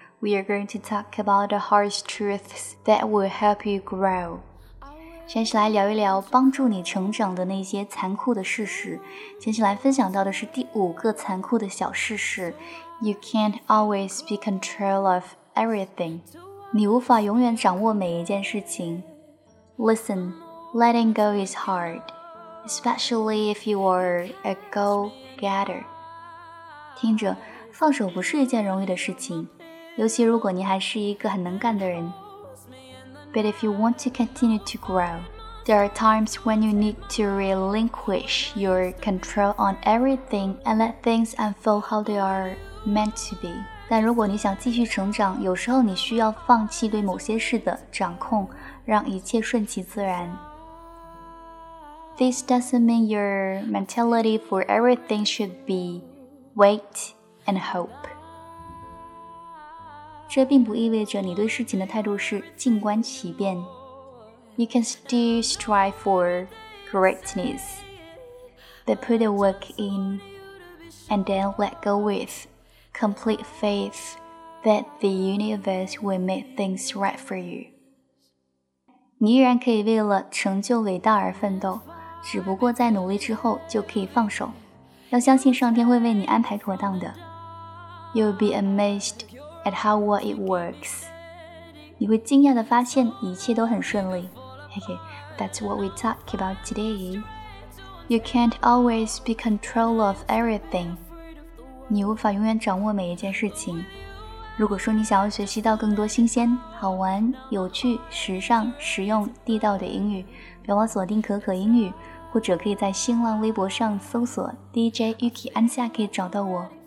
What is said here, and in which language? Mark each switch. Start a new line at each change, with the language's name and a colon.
English: We are going to talk about the harsh truths that will help you grow.
Chinese: 先是来聊一聊帮助你成长的那些残酷的事实。先是来分享到的是第五个残酷的小事实。
English: You can't always be control of everything.
Chinese: 你无法永远掌握每一件事情。
English: Listen, letting go is hard. Especially if you are a go-getter.
Chinese: 听着，放手不是一件容易的事情，尤其如果你还是一个很能干的人。
English: But if you want to continue to grow, there are times when you need to relinquish your control on everything and let things unfold how they are meant to be.
Chinese: 但如果你想继续成长，有时候你需要放弃对某些事的掌控，让一切顺其自然。
English: This doesn't mean your mentality for everything should be wait and hope.
Chinese: 这并不意味着你对事情的态度是静观其变。
English: You can still strive for greatness, but put the work in and then let go with complete faith that the universe will make things right for you.
Chinese: 你依然可以为了成就伟大而奋斗。只不过在努力之后就可以放手，要相信上天会为你安排妥当的。
English: You'll be amazed at how well it works.
Chinese: 你会惊讶地发现一切都很顺利。
English: Okay, that's what we talk about today. You can't always be control of everything.
Chinese: 你无法永远掌握每一件事情。如果说你想要学习到更多新鲜、好玩、有趣、时尚、实用、地道的英语，别忘锁定可可英语，或者可以在新浪微博上搜索 DJ Yuki 安夏，可以找到我。